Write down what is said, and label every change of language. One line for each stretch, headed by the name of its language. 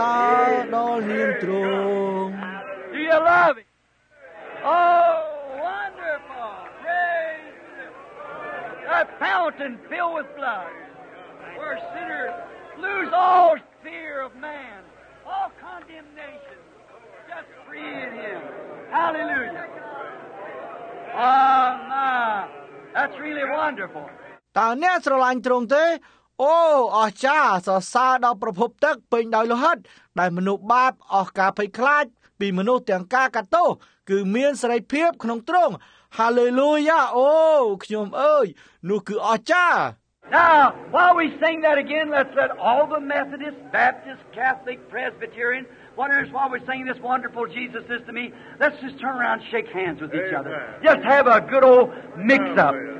Khmer: ព្រះសុគ្រូខ្ញុំអចារ្យសូមសរសើរនាមទ្រង់
English: Do you love it? Oh, wonderful! Praise the Lord! A fountain filled with blood, where sinners lose all fear of man, all condemnation, just free in Him. Hallelujah! Oh, my! That's really wonderful.
Khmer: តើអ្នកស្រឡាញ់ទ្រង់ទេ? អូអស្ចារ្យសរសើរដល់ប្រភពទឹកពេញដោយលោហិតដែលមនុស្សបាបអស់ការភ័យខ្លាច ពីមនុស្សទាំងការកាត់ទោសគឺមានសេរីភាពក្នុងទ្រង់ Hallelujah! អូខ្ញុំអើយនោះគឺអស្ចារ្យ
English: Now, while we sing that again, let's let all the Methodists, Baptists, Catholic, Presbyterian, whatever, while we're singing this wonderful Jesus is to me, let's just turn around and shake hands with each other. Just have a good old mix-up.